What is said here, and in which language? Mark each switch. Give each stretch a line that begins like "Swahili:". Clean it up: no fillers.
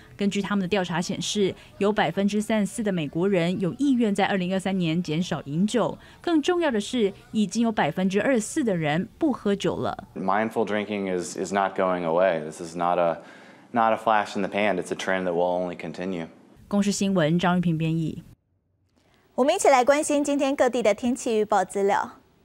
Chinese: 根据他们的调查显示，有34%的美国人有意愿在2023年减少饮酒。更重要的是，已经有24%的人不喝酒了。
English: Mindful drinking is not going away. This is not a flash in the pan. It's a trend that will only continue.
Chinese: 公视新闻张玉平编译。我们一起来关心今天各地的天气预报资料。